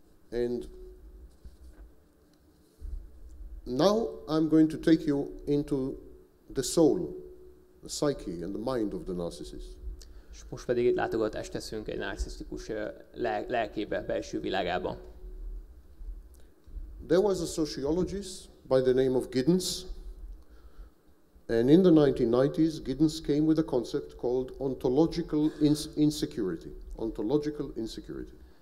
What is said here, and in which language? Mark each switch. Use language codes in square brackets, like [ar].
[en] And now I'm going to take you into the soul, the psyche and the mind of the narcissist. [hu] És most pedig itt látogatást teszünk egy narcisztikus lelkébe, belső világába. [en] There was a sociologist by the name of Giddens. And in the 1990s, Giddens came with a concept called ontological insecurity. Ontological insecurity.